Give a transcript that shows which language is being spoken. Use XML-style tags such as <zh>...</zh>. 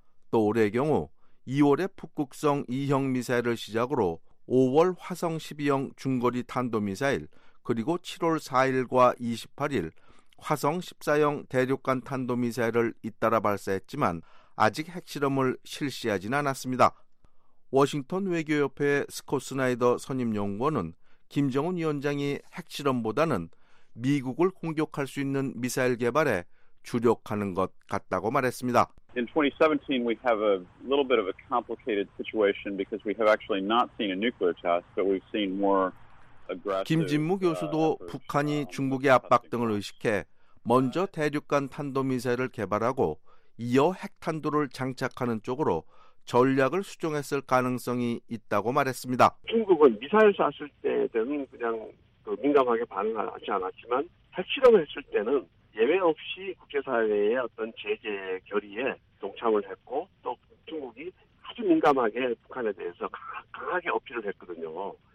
<ko>또 올해의 경우 2월에 북극성 2형 미사일을 시작으로 5월 화성 12형 중거리 탄도미사일 그리고 7월 4일과 28일 화성 14형 대륙간 탄도미사일을 잇따라 발사했지만 아직 핵실험을 실시하진 않았습니다. 워싱턴 외교협회의 스콧 스나이더 선임연구원은 김정은 위원장이 핵실험보다는 미국을 공격할 수 있는 미사일 개발에 주력하는 것 같다고 말했습니다.</ko> <en>In 2017 we have a little bit of a complicated situation because we have actually not seen a nuclear test but we've seen more aggressive</en> <ko>김진무 교수도 북한이 중국의 압박 등을 의식해 먼저 대륙간 탄도미사일을 개발하고 이어 핵탄두를 장착하는 쪽으로 전략을 수정했을 가능성이 있다고 말했습니다. 중국은 미사일 쐈을 때는 그냥 그 민감하게 반응하지 않았지만 핵실험을 했을 때는 예외 없이 국제사회의 어떤 제재 결의에 동참을 했고 또 중국이 아주 민감하게 북한에 대해서 강하게 어필을 했거든요.</ko>